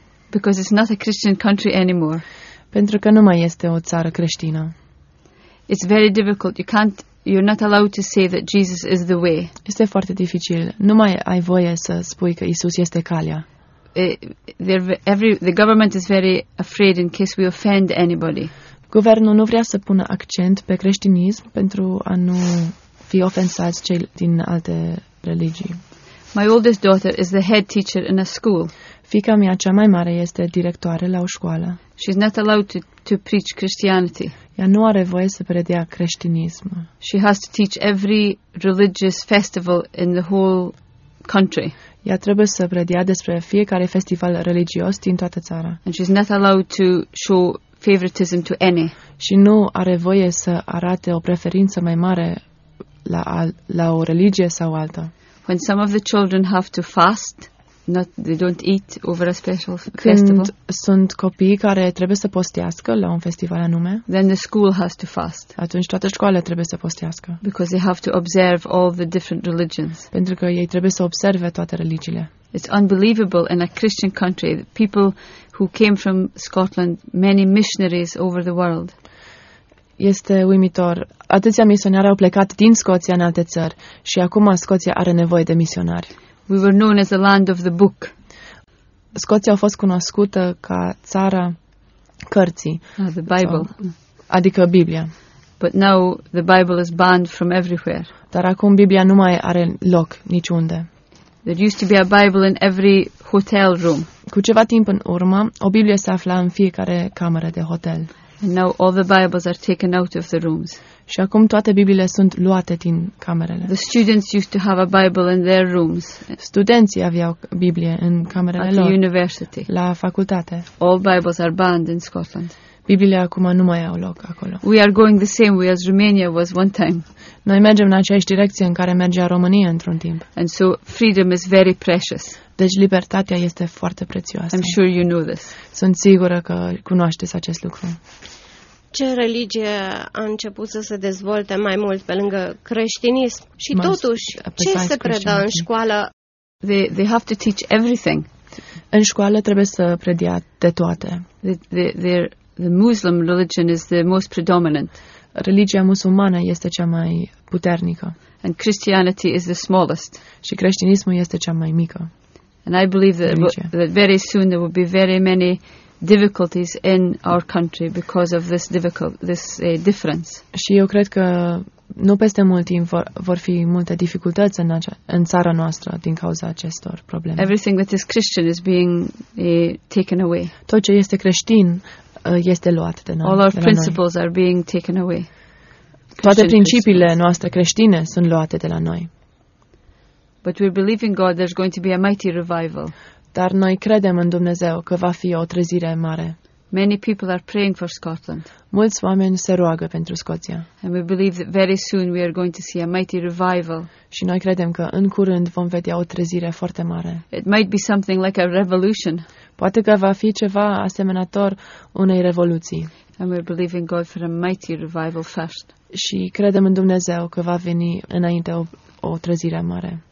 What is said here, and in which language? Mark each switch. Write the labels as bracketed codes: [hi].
[en] Because it's not a Christian country anymore. [ro] Pentru că nu mai este o țară creștină. [en] It's very difficult. You're not allowed to say that Jesus is the way. [ro] Este foarte dificil. Nu mai ai voie să spui că Isus este calea. [en] The government is very afraid in case we offend anybody. [ro] Guvernul nu vrea să pună accent pe creștinism pentru a nu fi ofensați cei din alte religii. [en] My oldest daughter is the head teacher in a school. [ro] Fiica mea cea mai mare este directoare la o școală. [en] She's not allowed to preach Christianity. [ro] Ea nu are voie să predea creștinism. [en] She has to teach every religious festival in the whole country. [ro] Ea trebuie să predea despre fiecare festival religios din toată țara. [en] And she's not allowed to show favoritism to any. [ro] Și nu are voie să arate o preferință mai mare la o religie sau alta. [en] When some of the children have to fast, they don't eat over a special festival. [ro] Când sunt copii care trebuie să postească la un festival anume, [en] then the school has to fast. [ro] Atunci toată școala trebuie să postească. [en] Because they have to observe all the different religions. [ro] Pentru că ei trebuie să observe toate religiile. [en] It's unbelievable in a Christian country that people who came from Scotland, many missionaries over the world. [ro] Este uimitor. Atâția misionari au plecat din Scoția în alte țări și acum Scoția are nevoie de misionari. [en] We were known as the land of the book. [ro] Scoția a fost cunoscută ca țara cărții. [en] The Bible. [ro] Adică Biblia. [en] But now the Bible is banned from everywhere. [ro] Dar acum Biblia nu mai are loc niciunde. [en] There used to be a Bible in every hotel room. [ro] Cu ceva timp în urmă, o Biblie se afla în fiecare cameră de hotel. [en] And now all the Bibles are taken out of the rooms. [ro] Și acum toate Bibliile sunt luate din camerele. [en] The students used to have a Bible in their rooms. [ro] Studenții aveau Biblie în camerele lor. [en] At university. [ro] La facultate. [en] All Bibles are banned in Scotland. [ro] Bibliile acum nu mai au loc acolo. [en] We are going the same way as Romania was one time. [ro] Noi mergem în aceeași direcție în care mergea România într-un timp. [en] And so freedom is very precious. [ro] Deci libertatea este foarte prețioasă. [en] I'm sure you know this. [ro] Sunt sigură că cunoașteți acest lucru. Ce religie a început să se dezvolte mai mult pe lângă creștinism? Și totuși, ce se predă în școală? [en] They have to teach everything. [ro] În școală trebuie să predea de toate. [en] The Muslim religion is the most predominant. [ro] Religia musulmană este cea mai puternică. [en] And Christianity is the smallest. [ro] Și creștinismul este cea mai mică. [en] And I believe that very soon there will be very many difficulties in our country because of this difference. [ro] Și eu cred că nu peste mult timp vor fi multe dificultăți în țara noastră din cauza acestor probleme. [en] Everything that is Christian is being taken away. [ro] Tot ce este creștin este luat de noi. [en] All our principles are being taken away. [ro] Toate principiile noastre creștine sunt luate de la noi. [en] But we believe in God there's going to be a mighty revival. [ro] Dar noi credem în Dumnezeu că va fi o trezire mare. [en] Many people are praying for Scotland. [ro] Mulți oameni se roagă pentru Scoția. [en] And we believe that very soon we are going to see a mighty revival. [ro] Și noi credem că în curând vom vedea o trezire foarte mare. [en] It might be something like a revolution. [ro] Poate că va fi ceva asemănător unei revoluții. [en] And we believe in God for a mighty revival first. [ro] Și credem în Dumnezeu că va veni înainte o trezire mare.